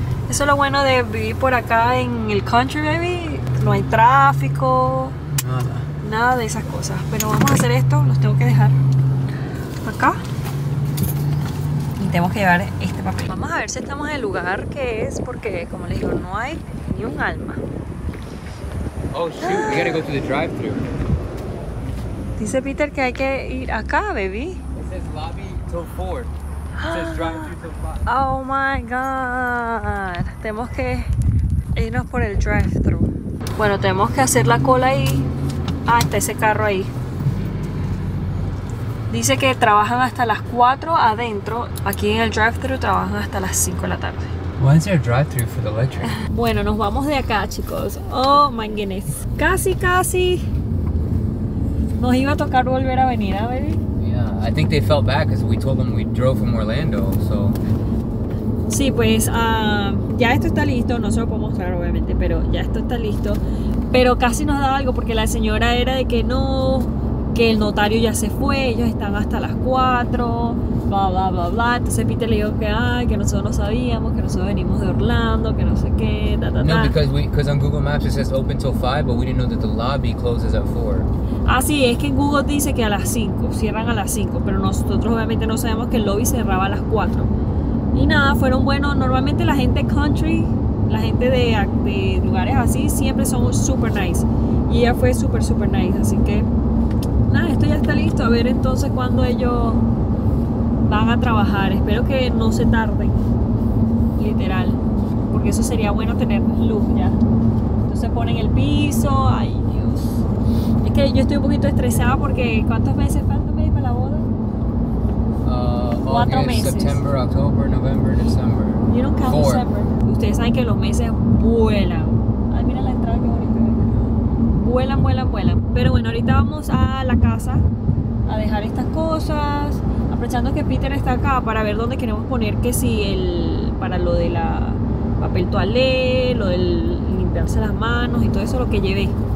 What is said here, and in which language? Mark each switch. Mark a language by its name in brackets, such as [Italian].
[Spanish] Eso es lo bueno de vivir por acá en el country, baby. No hay tráfico. Nada de esas cosas. Pero vamos a hacer esto, los tengo que dejar acá. Y tenemos que llevar este papel. Vamos a ver si estamos en el lugar que es, porque como les digo, no hay ni un alma. [English] Oh shoot, we gotta go through the drive-thru. [Spanish] Dice Peter que hay que ir acá, baby. [English] It says lobby till 4. It says drive-thru till 5. Oh my god. [Spanish] Tenemos que irnos por el drive-thru. Bueno, tenemos que hacer la cola ahí. Ah, está ese carro ahí. Dice que trabajan hasta las 4 adentro. Aquí en el drive-thru trabajan hasta las 5 de la tarde. [English] ¿Why is there a drive-thru for the electric? [Spanish] Bueno, nos vamos de acá, chicos. [English] Oh my goodness. [Spanish] Casi, casi. Nos iba a tocar volver a venir, ¿eh, baby? [English] Yeah, I think they felt bad because we told them we drove from Orlando, so. [Spanish] Sí, pues ya esto está listo. No se lo puedo mostrar, obviamente, pero ya esto está listo. Pero casi nos da algo porque la señora era de que no, que el notario ya se fue, ellos están hasta las 4, bla, bla, bla, bla. Entonces Peter le dijo que, ay, que nosotros no sabíamos, que nosotros venimos de Orlando, que no sé qué, ta, ta, ta. [English] No, because on Google Maps it says open till 5, but we didn't know that the lobby closes at 4. [Spanish] Ah, sí, es que en Google dice que a las 5, cierran a las 5, pero nosotros obviamente no sabemos que el lobby cerraba a las 4. Y nada, fueron buenos. Normalmente la gente country, la gente de lugares así, siempre son super nice. Y ella fue super, super nice. Así que, nada, esto ya está listo. A ver entonces cuándo ellos van a trabajar. Espero que no se tarden, literal. Porque eso sería bueno tener luz ya. Entonces ponen el piso. Ay, Dios. Es que yo estoy un poquito estresada porque ¿cuántos meses faltan para la boda? 4 meses. [English] September, October, November, December. You don't count December. [Spanish] Ustedes saben que los meses vuelan. Ay, mira la entrada, qué bonita. Vuelan, vuelan, vuelan. Pero bueno, ahorita vamos a la casa a dejar estas cosas. Aprovechando que Peter está acá para ver dónde queremos poner, que si el... para lo de la papel toalé, lo del limpiarse las manos y todo eso, lo que llevé.